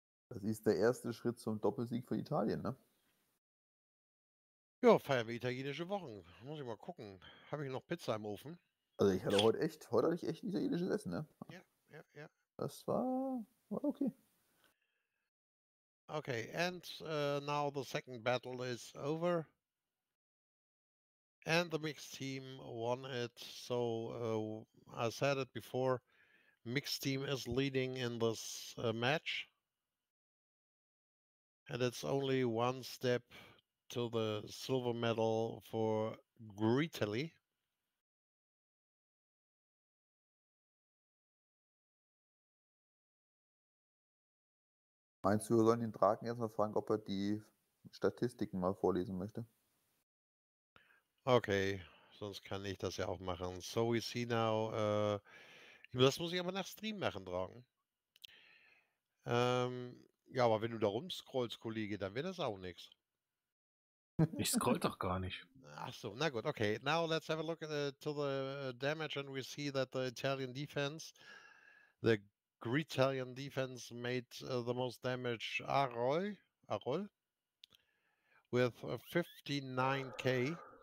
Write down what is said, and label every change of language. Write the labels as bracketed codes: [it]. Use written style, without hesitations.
[de] Das ist der erste Schritt zum Doppelsieg für Italien, ne? Ja, feiern wir italienische Wochen. Muss ich mal gucken. Habe ich noch Pizza im Ofen? Also ich hatte heute hatte ich echt ein italienisches Essen, ne? Ja. Das war okay. [en] Okay, and now the second battle is over. And the mixed team won it. So I said it before, mixed team is leading in this match. And it's only one step to the silver medal for Greetly. [de] Meinst du, wir sollen den Draken erstmal fragen, ob er die Statistiken mal vorlesen möchte? Okay, sonst kann ich das ja auch machen. [en] So we see now, [de] das muss ich aber nach Stream machen, Draken. Ja, aber wenn du da rumscrollst, Kollege, dann wird das auch nichts. Ich scroll doch gar nicht. Ach so, na gut, okay. [en] Now let's have a look to the damage and we see that the Italian defense, the Greetalian defense made the most damage. Arroy, with 59k.